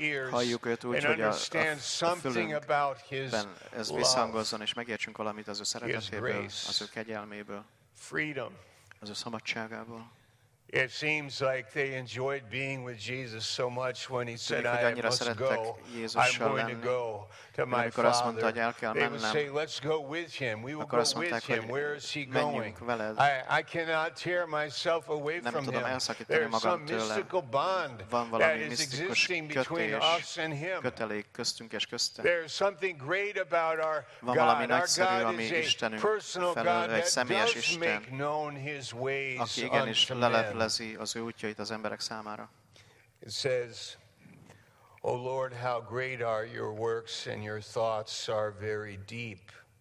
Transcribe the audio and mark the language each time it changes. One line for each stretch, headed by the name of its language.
Hungarian: Halljuk őt úgy, hogy a fülünkben ez visszhangozzon, és megértsünk valamit az ő szeretetéből, az ő kegyelméből, az ő szabadságából.
English: It seems like they enjoyed being with Jesus so much when he said, I must go, I'm going to go to my Father. They would say, let's go with him, we will go with him, where is he going? I cannot tear myself away from him. There's some mystical bond that is existing between us and him. There's something great about our God is a personal God that does make known his ways unto men.
Hungarian: Az ő útjait az emberek számára.
English: It says, O Lord, how great are your works and your thoughts are very deep.